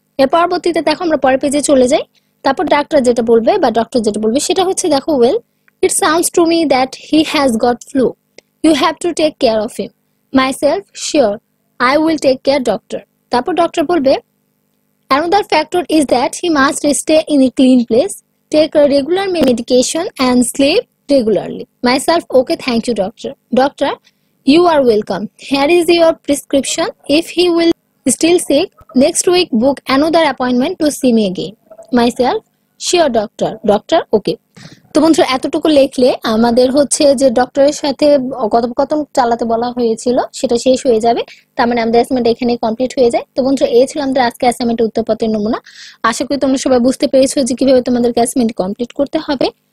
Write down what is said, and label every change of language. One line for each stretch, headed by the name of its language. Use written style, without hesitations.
Bangla: এর পরবর্তীতে দেখো আমরা পরের পেজে চলে যাই। তারপর ডাক্তার যেটা বলবে বা ডক্টর যেটা বলবে সেটা হচ্ছে, দেখো,
English: Well, it sounds to me that he has got flu, you have to take care of him. Myself, sure, I will take care doctor.
Bangla: তারপর ডক্টর বলবে,
English: Another factor is that he must stay in a clean place, take a regular medication and sleep regularly. Myself, okay, thank you doctor. Doctor, You are welcome. Here is your prescription. If he will still sick, next week book another appointment to see me again. Myself, sure doctor. Doctor, okay.
Bangla: তো বন্ধু এতটুকু লিখলে আমাদের হচ্ছে যে ডক্টরের সাথে কথোপকথন চালাতে বলা হয়েছিল সেটা শেষ হয়ে যাবে, তার মানে আমাদের অ্যাসাইনমেন্ট এখানে কমপ্লিট হয়ে যায়। তো বন্ধু এই ছিল আমাদের আজকে অ্যাসাইনমেন্ট উত্তরপত্রের নমুনা। আশা করি তোমরা সবাই বুঝতে পেরেছো যে কিভাবে তোমাদের অ্যাসাইনমেন্ট কমপ্লিট করতে হবে।